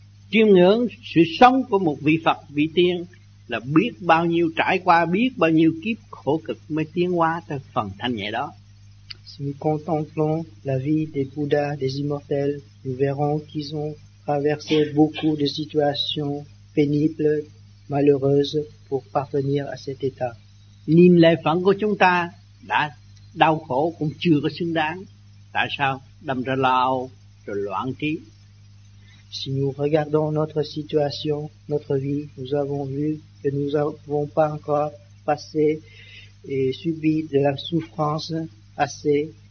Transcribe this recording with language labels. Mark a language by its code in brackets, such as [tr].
[vi] Chiêm ngưỡng sự sống của một vị Phật, vị tiên là biết bao nhiêu trải qua, biết bao nhiêu kiếp khổ cực mới tiến hóa tới phần thanh nhẹ đó. [fr] Si nous contemplons la vie des Bouddhas, des immortels, nous verrons qu'ils ont traversé beaucoup de situations pénibles, malheureuses pour parvenir à cet état. [vi] Nhìn lại phận của chúng ta đã đau khổ cũng chưa có xứng đáng, tại sao đâm ra lao rồi loạn trí? [fr] Si nous regardons notre situation, notre vie, nous avons vu que nous n'avons pas encore passé et subi de la souffrance assez.